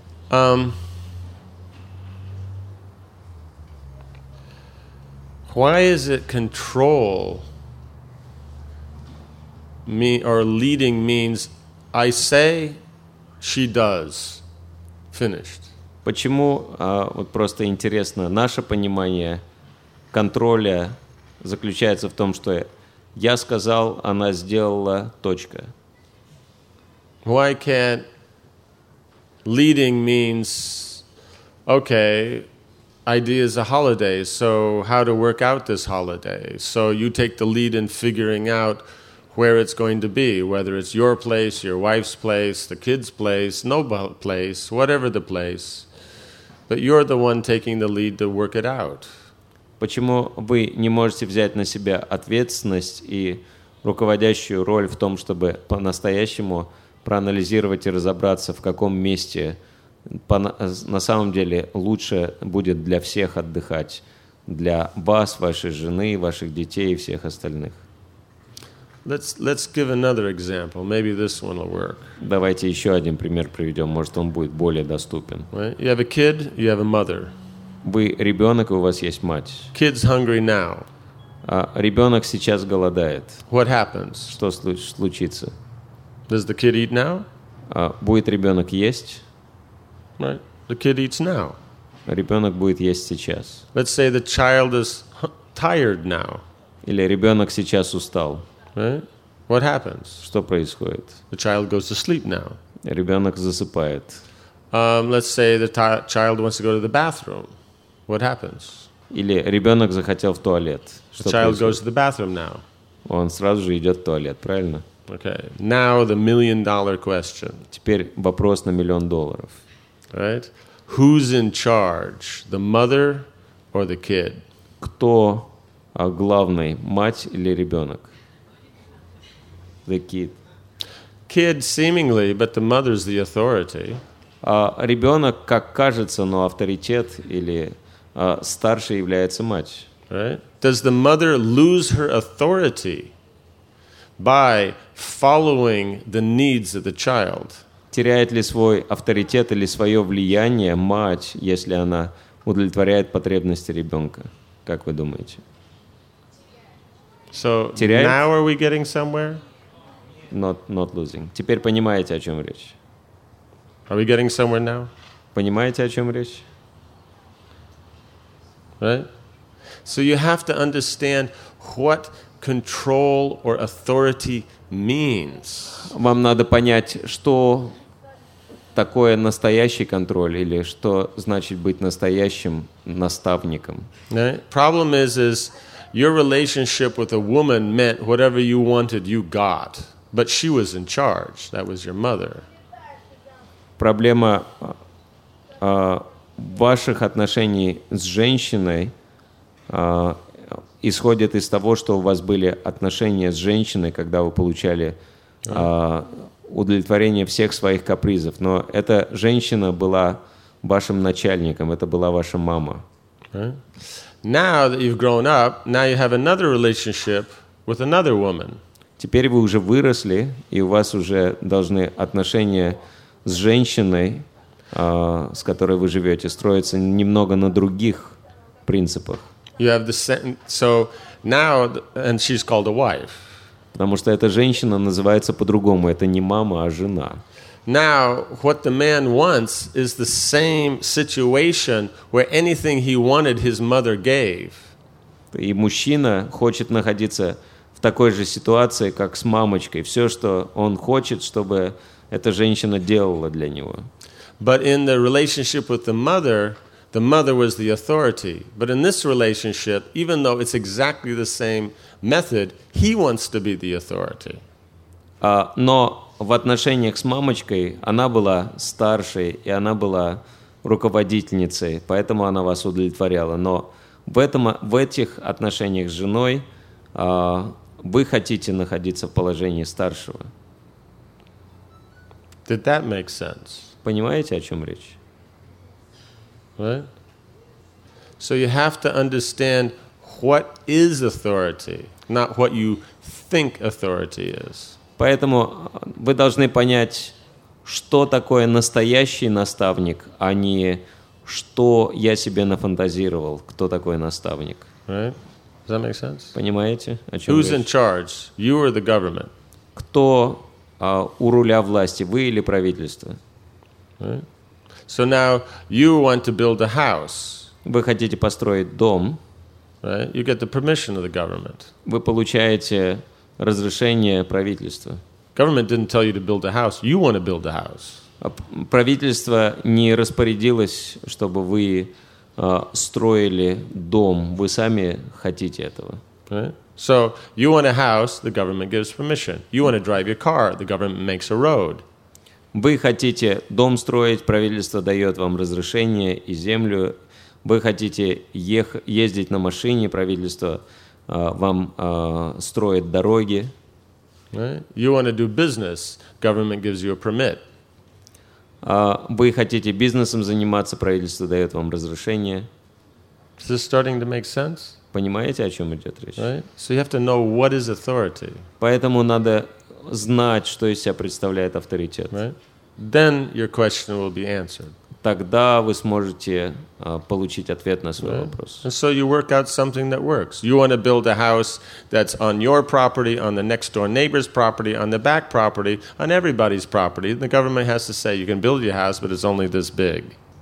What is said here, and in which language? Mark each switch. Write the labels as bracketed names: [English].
[English] Why is it control me or leading means I say, she does. Finished. [Russian] Почему, вот просто интересно, наше понимание контроля заключается в том, что я сказал, она сделала, точка. [English] Why can't leading means, okay, idea is a holiday, so how to work out this holiday? So you take the lead in figuring out where it's going to be, whether it's your place, your wife's place, the kid's place, no place, whatever the place. But you're the one taking the lead to work it out. [Russian] Почему вы не можете взять на себя ответственность и руководящую роль в том, чтобы по-настоящему проанализировать и разобраться, в каком месте на самом деле лучше будет для всех отдыхать, для вас, вашей жены, ваших детей и всех остальных? [English] Let's give another example. Maybe this one will work. [Russian] Давайте еще один пример приведем. Может, он будет более доступен. [English] You have a kid, you have a mother. [Russian] Вы ребенок, и у вас есть мать. [English] Kid's hungry now. [Russian] Ребенок сейчас голодает. [English] What happens? [Russian] Что случится? [English] Does the kid eat now? [Russian] Будет ребенок есть? [English] Right. The kid eats now. [Russian] Ребенок будет есть сейчас. [English] Let's say the child is tired now. [Russian] Или ребенок сейчас устал. [English] Right? What happens? [Russian] Что происходит? [English] The child goes to sleep now. [Russian] Ребенок засыпает. [English] Let's say the child wants to go to the bathroom. What happens? [Russian] Или ребенок захотел в туалет. [English] The child goes to the bathroom now. [Russian] Он сразу же идет в туалет, правильно? [English] Okay. Now the million-dollar question. [Russian] Теперь вопрос на миллион долларов. [English] Right? Who's in charge? The mother or the kid? [Russian] Кто главный, мать или ребенок? [English] The kid. Kid seemingly, but the mother's the authority. [Russian] Ребенок, как кажется, но авторитет или старший является мать. [English] Right? Does the mother lose her authority by following the needs of the child? [Russian] Теряет ли свой авторитет или свое влияние мать, если она удовлетворяет потребности ребенка? Как вы думаете? [English] So [Russian] теряет? [English] Now are we getting somewhere? Not losing. [Russian] Теперь понимаете, о чем речь. [English] Are we getting somewhere now? [Russian] Понимаете, о чем речь? [English] Right? So you have to understand what control or authority means. [Russian] Вам надо понять, что такое настоящий контроль или что значит быть настоящим наставником. [English] Right? Problem is your relationship with a woman meant whatever you wanted, you got. But she was in charge. That was your mother. [Russian] Проблема ваших отношений с женщиной исходит из того, что у вас были отношения с женщиной, когда вы получали удовлетворение всех своих капризов. Но эта женщина была вашим начальником, это была ваша мама. [English] Now that you've grown up, now you have another relationship with another woman. [Russian] Теперь вы уже выросли, и у вас уже должны отношения с женщиной, с которой вы живете, строиться немного на других принципах. [English] You have the same, so now, and she's called a wife. [Russian] Потому что эта женщина называется по-другому. Это не мама, а жена. [English] Now, what the man wants is the same situation where anything he wanted, his mother gave. [Russian] И мужчина хочет находиться в такой же ситуации, как с мамочкой. Все, что он хочет, чтобы эта женщина делала для него. [English] But in the relationship with the mother was the authority. But in this relationship, even though it's exactly the same method, he wants to be the authority. [Russian] Но в отношениях с мамочкой она была старшей и она была руководительницей, поэтому она вас удовлетворяла. Но в этих отношениях с женой вы хотите находиться в положении старшего. [English] Did that make sense? [Russian] Понимаете, о чем речь? [English] Right? So you have to understand what is authority, not what you think authority is. [Russian] Поэтому вы должны понять, что такое настоящий наставник, а не что я себе нафантазировал, кто такой наставник. [English] Right? Does that make sense? [Russian] Понимаете, о чем [English] Who's [Russian] речь? [English] In charge? You or the government? [Russian] Кто у руля власти, вы или правительство? [English] Right? So now you want to build a house. [Russian] Вы хотите построить дом. [English] Right? You get the permission of the government. [Russian] Вы получаете разрешение правительства. [English] Government didn't tell you to build a house. You want to build a house. [Russian] Правительство не распорядилось, чтобы вы строили дом. Вы сами хотите этого. [English] Right? So you want a house, the government gives permission. You want to drive your car, the government makes a road. [Russian] Вы хотите дом строить, правительство дает вам разрешение и землю. Вы хотите ездить на машине, правительство вам строит дороги. [English] Right? You want to do business, government gives you a permit. [Russian] Вы хотите бизнесом заниматься, правительство дает вам разрешение. [English] Is this starting to make sense? [Russian] Понимаете, о чем идет речь? [English] Right? So you have to know what is authority. [Russian] Поэтому надо знать, что из себя представляет авторитет. [English] Right? Then your question will be answered. [Russian] Тогда вы сможете получить ответ на свой вопрос. [English] And so you work out something that works. You want to build a house that's on your property, on the next door neighbor's property, on the back property, on everybody's property. The government has to say you can build your house, but it's only this big.